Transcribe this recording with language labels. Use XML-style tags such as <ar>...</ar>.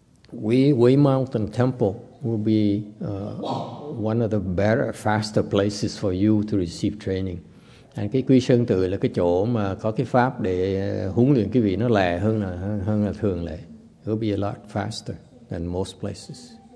<en>Way Mountain Temple will be one of the better, faster places for you to receive training.</en> <vi>Anh cái quy sơn tự là cái chỗ mà có cái pháp để huấn luyện quý vị nó lẹ hơn là thường lệ.</vi> <en>It will be a lot faster than most places.</en>